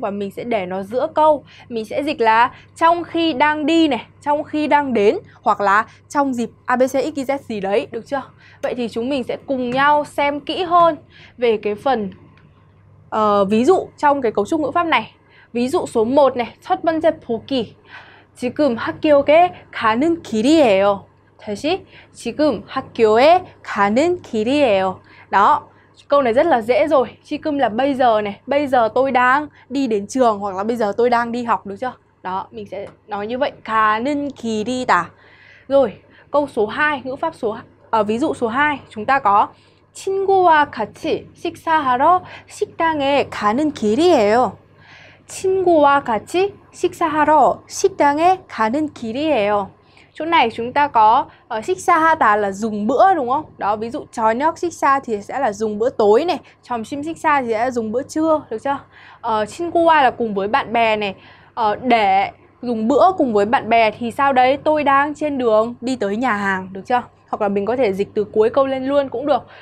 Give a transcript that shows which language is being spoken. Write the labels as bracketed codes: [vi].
[vi] Và mình sẽ để nó giữa câu. Mình sẽ dịch là trong khi đang đi này, trong khi đang đến, hoặc là trong dịp ABCXYZ gì đấy, được chưa? Vậy thì chúng mình sẽ cùng nhau xem kỹ hơn về cái phần ví dụ trong cái cấu trúc ngữ pháp này. Ví dụ số 1 này, [ko] 첫 번째 보기 지금 학교에 가는 길이에요. 다시 지금 학교에 가는 길이에요. [vi] Đó, câu này rất là dễ rồi. 지금 là bây giờ này, bây giờ tôi đang đi đến trường hoặc là bây giờ tôi đang đi học, được chưa? Đó, mình sẽ nói như vậy. [ko] 가는 길이다. [vi] Rồi, câu số 2, ngữ pháp số ví dụ số 2, chúng ta có [ko] 친구와 같이 식사하러 식당에 가는 길이에요. 친구와 같이 식사하러 식당에 가는 길이에요. [vi] Chỗ này chúng ta có xích xa ha tà là dùng bữa đúng không? Đó, ví dụ chó nhóc xích xa thì sẽ là dùng bữa tối này. Chòm chim xích xa thì sẽ là dùng bữa trưa, được chưa? Xin qua là cùng với bạn bè này. Để dùng bữa cùng với bạn bè thì sao đấy? Tôi đang trên đường đi tới nhà hàng, được chưa? Hoặc là mình có thể dịch từ cuối câu lên luôn cũng được.